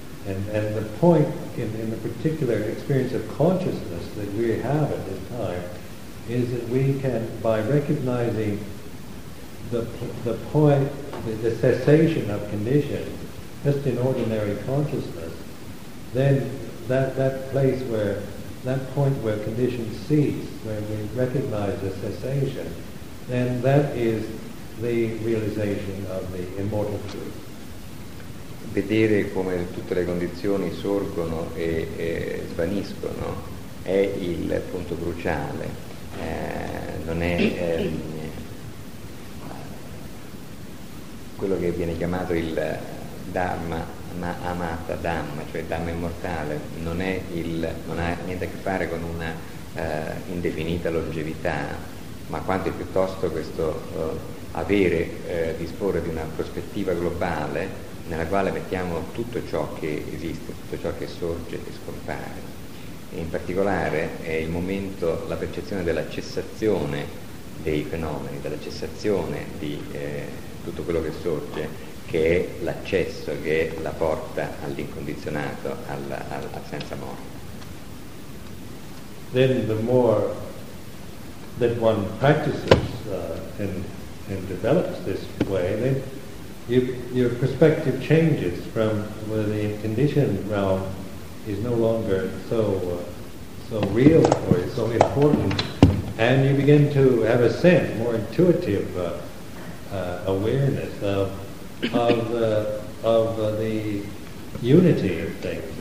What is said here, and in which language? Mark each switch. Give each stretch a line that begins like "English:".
English: And the point in the particular experience of consciousness that we have at this time is that we can, by recognizing the point, the cessation of condition, just in ordinary consciousness, then that place where, that point where condition cease, where we recognize the cessation, then that is the realization of the immortal truth.
Italian: Vedere come tutte le condizioni sorgono e svaniscono è il punto cruciale, non è quello che viene chiamato il Dharma, ma amata Dhamma, cioè Dhamma immortale, non ha niente a che fare con una indefinita longevità, ma quanto è piuttosto questo avere, disporre di una prospettiva globale nella quale mettiamo tutto ciò che esiste, tutto ciò che sorge e scompare. E in particolare è il momento, la percezione della cessazione dei fenomeni, della cessazione di tutto quello che sorge, che è l'accesso, che è la porta all'incondizionato, alla senza morte.
English: Then the more that one practices and develops this way, then your perspective changes from where the conditioned realm is no longer so real or so important, and you begin to have a sense, more intuitive awareness of the unity of things.